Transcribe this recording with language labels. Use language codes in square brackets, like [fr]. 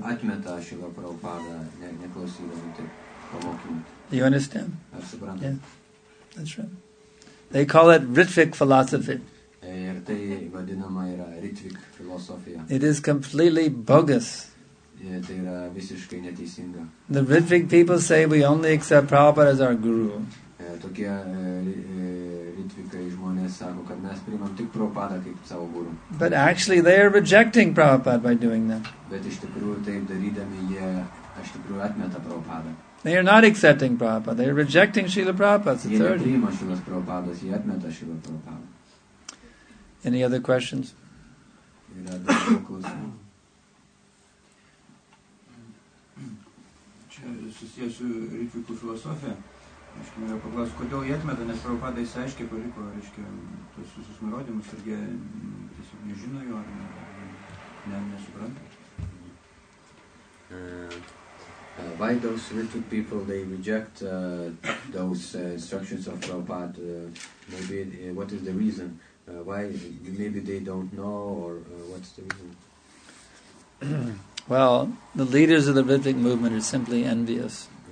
[lt] Atmeta Srila Prabhupada, neklausydami taip pamokymų. [en] You understand? [lt] Ar suprantate? Yeah. [en] That's right. They call it Ritvik philosophy. [lt] Ir tai vadinama yra Ritvik filosofija. [en] It is completely bogus. [lt] Tai yra visiškai neteisinga. [en] The Ritvik people say we only accept Prabhupada as our guru. [lt] Tokie Ritvikai žmonės sako, kad mes priimam tik Prabhupada kaip savo guru. [en] But actually they are rejecting Prabhupada by doing that. [lt] Bet iš tikrųjų taip darydami jie iš tikrųjų atmeta Prabhupada. [en] They are not accepting Prabhupada, they are rejecting Srila Prabhupada. [lt] Jie nepriima Šilas Prabhupadas, jie atmeta Šilą Prabhupada. [en] Any other questions? [lt] Yra daugiau klausimų. Susiję su Ritvikų filosofija. Aš noriu paklausti, kodėl jie atmeta, nes Prabhupada jis aiškiai paliko, reiškia, tuos visus nurodymus, ir jie tiesiog nežino jo, ar nesupranta. [en] Why those Ritvik people, they reject those instructions of Prabhupada? Maybe, what is the reason? Why, maybe they don't know, or what's the reason? Well, the leaders of the Ritvik movement are simply envious.